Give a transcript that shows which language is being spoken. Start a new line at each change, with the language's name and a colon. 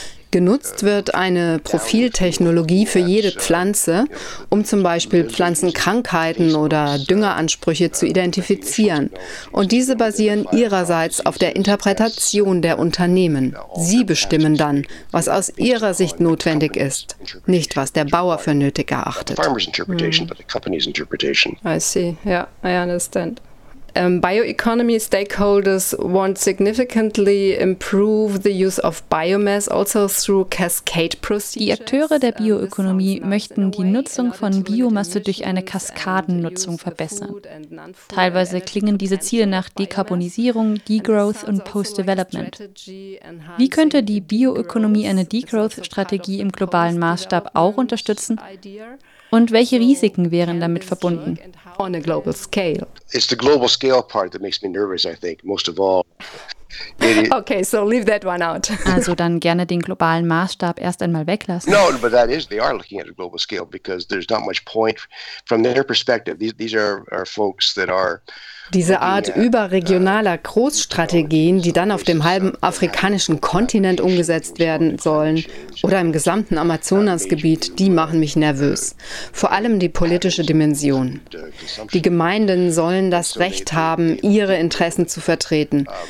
German: Genutzt wird eine Profiltechnologie für jede Pflanze, um zum Beispiel Pflanzenkrankheiten oder Düngeransprüche zu identifizieren. Und diese basieren ihrerseits auf der Interpretation der Unternehmen. Sie bestimmen dann, was aus ihrer Sicht notwendig ist, nicht was der Bauer für nötig erachtet.
English: I understand. Bioeconomy stakeholders want significantly improve the use of biomass also through cascade procedures.
German: Die Akteure der Bioökonomie möchten die Nutzung von Biomasse durch eine Kaskadennutzung verbessern. Teilweise klingen diese Ziele nach Dekarbonisierung, Degrowth und Post-Development. Wie könnte die Bioökonomie eine Degrowth-Strategie im globalen Maßstab auch unterstützen? Und welche Risiken wären damit verbunden?
English: On a global scale. It's the global scale part that makes me nervous, I think, most of all. Okay, so leave that one out.
German: Also dann gerne den globalen Maßstab erst einmal weglassen.
English: No, but that is, they are looking at a global scale because there's not much point from their perspective. These are folks that are.
German: Diese Art überregionaler Großstrategien, die dann auf dem halben afrikanischen Kontinent umgesetzt werden sollen oder im gesamten Amazonasgebiet, die machen mich nervös. Vor allem die politische Dimension. Die Gemeinden sollen das Recht haben, ihre Interessen zu vertreten.